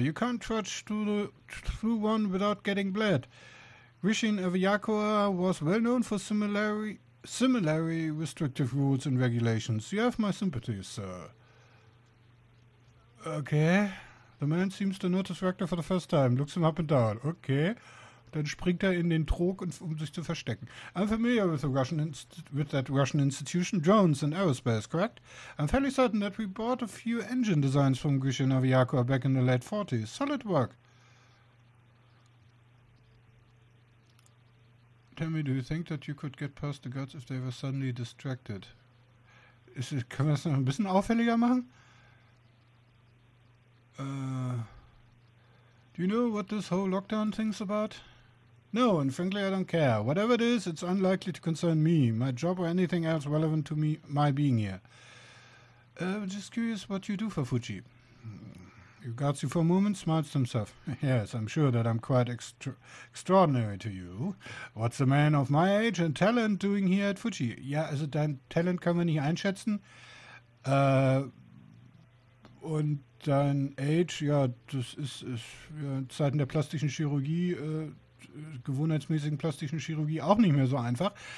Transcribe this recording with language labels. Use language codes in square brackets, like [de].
[en] You can't trudge through one without getting bled. Rishin Evayakoa was well known for similarly restrictive rules and regulations. You have my sympathies, sir. Okay. The man seems to notice Rector for the first time. Looks him up and down. Okay. [de] Dann springt in den Trog, um sich zu verstecken. [en] I'm familiar with the Russian with that Russian institution, drones and aerospace, correct? I'm fairly certain that we bought a few engine designs from Grishin Evayakoa back in the late 40s. Solid work. Tell me, do you think that you could get past the guards if they were suddenly distracted? [de] Können wir das noch ein bisschen auffälliger machen? [en] Do you know what this whole lockdown thing's about? No, and frankly, I don't care. Whatever it is, it's unlikely to concern me, my job, or anything else relevant to me, my being here. Just curious what you do for Fuji. He regards you for a moment, smiles to himself. Yes, I'm sure that I'm quite extraordinary to you. What's a man of my age and talent doing here at Fuji? [de] Ja, also dein Talent können wir nicht einschätzen. Und dein Age, ja, das ist ja, in Zeiten der plastischen Chirurgie, gewohnheitsmäßigen plastischen Chirurgie auch nicht mehr so einfach.